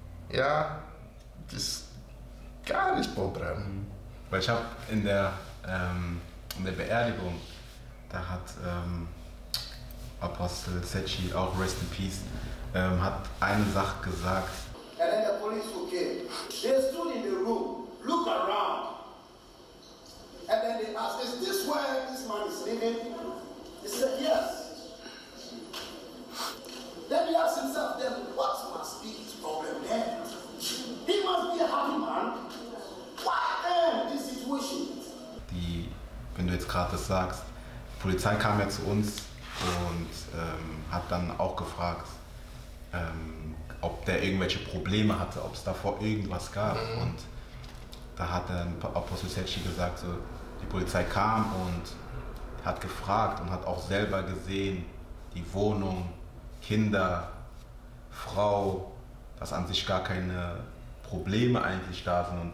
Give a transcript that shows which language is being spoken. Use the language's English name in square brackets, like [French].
[German] Ja, das ist gar nicht Problem. Mhm. Weil ich habe in der Beerdigung, da hat Apostel Sechi, auch [English] Rest in Peace, [German] hat eine Sache gesagt. [English] And then the police who came, they stood in the room, look around. And then they asked, is this where this man is living? He said, yes. Then he asked himself, then what must be his problem then? He must be a happy man. Why then this situation? [German] Die, wenn du jetzt gerade das sagst, die Polizei kam ja zu uns und hat dann auch gefragt, ob der irgendwelche Probleme hatte, ob es davor irgendwas gab. Mhm. Und da hat dann Apostel Sechi gesagt, so, die Polizei kam und hat gefragt und hat auch selber gesehen, die Wohnung, Kinder, Frau, dass an sich gar keine Probleme eigentlich da sind.